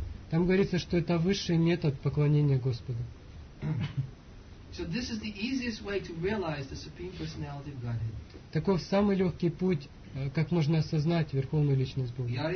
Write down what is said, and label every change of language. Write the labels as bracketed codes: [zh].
[ru] Там говорится, что это высший метод поклонения Господу. [en] So this is the easiest way to realize the Supreme Personality of Godhead. [ru] Таков самый легкий путь, как можно осознать Верховную Личность Бога.